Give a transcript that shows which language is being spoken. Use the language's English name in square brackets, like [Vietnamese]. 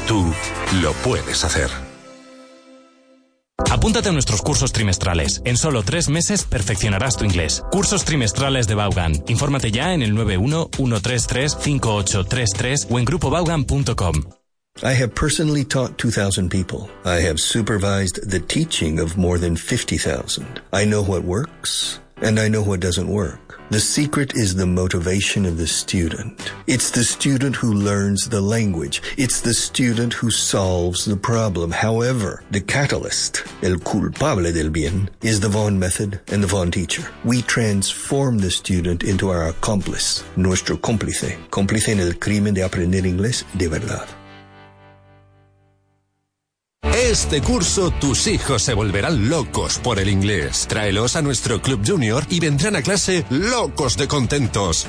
[Spanish] Tú lo puedes hacer. Apúntate a nuestros cursos trimestrales. En solo 3 meses perfeccionarás tu inglés. Cursos trimestrales de Vaughan. Infórmate ya en el 911-133-5833 o en grupovaughan.com. [English] I have personally taught 2,000 people. I have supervised the teaching of more than 50,000. I know what works and I know what doesn't work. The secret is the motivation of the student. It's the student who learns the language. It's the student who solves the problem. However, the catalyst, [Spanish] el culpable del bien, [English] is the Vaughan method and the Vaughan teacher. We transform the student into our accomplice, [Spanish] nuestro cómplice. Cómplice en el crimen de aprender inglés de verdad. Este curso tus hijos se volverán locos por el inglés. Tráelos a nuestro Club Junior y vendrán a clase locos de contentos.